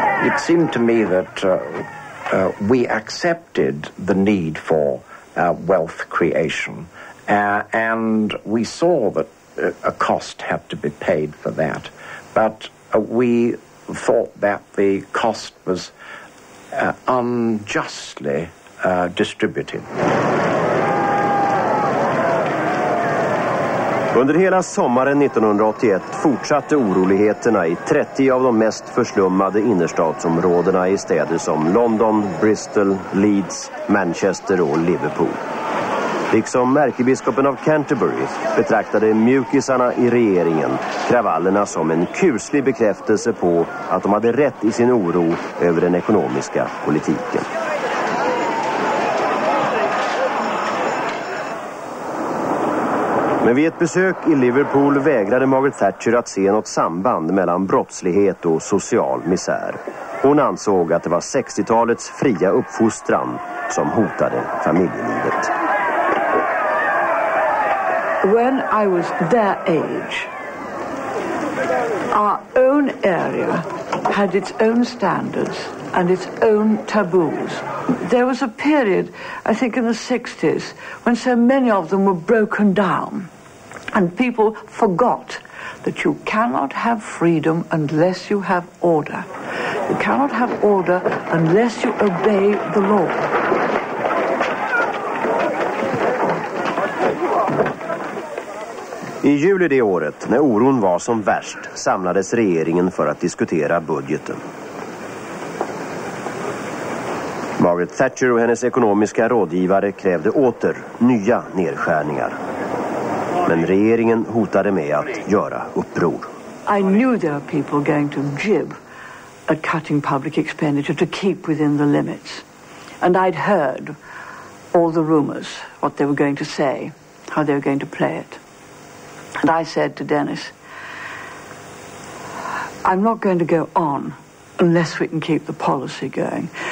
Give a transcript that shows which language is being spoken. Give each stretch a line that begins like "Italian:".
English: It seemed to me that we accepted the need for wealth creation, and we saw that a cost had to be paid for that, but we thought that the cost was unjustly distributed.
Swedish: Under hela sommaren 1981 fortsatte oroligheterna i 30 av de mest förslummade innerstadsområdena i städer som London, Bristol, Leeds, Manchester och Liverpool. Liksom ärkebiskopen av Canterbury betraktade mjukisarna i regeringen kravallerna som en kuslig bekräftelse på att de hade rätt i sin oro över den ekonomiska politiken. Men vid ett besök i Liverpool vägrade Margaret Thatcher att se något samband mellan brottslighet och social misär. Hon ansåg att det var 60-talets fria uppfostran som hotade familjelivet.
English: When I was their age, our own area had its own standards and its own taboos. There was a period, I think in the 60s, when so many of them were broken down. And people forgot that you cannot have freedom unless you have order. You cannot have order unless you obey the law.
Swedish: I juli det året, när oron var som värst, samlades regeringen för att diskutera budgeten. Margaret Thatcher och hennes ekonomiska rådgivare krävde åter nya nedskärningar. Men regeringen hotade med att göra uppror.
English: I knew there were people going to jib at cutting public expenditure to keep within the limits. And I'd heard all the rumors, what they were going to say, how they were going to play it. And I said to Dennis, I'm not going to go on unless we can keep the policy going.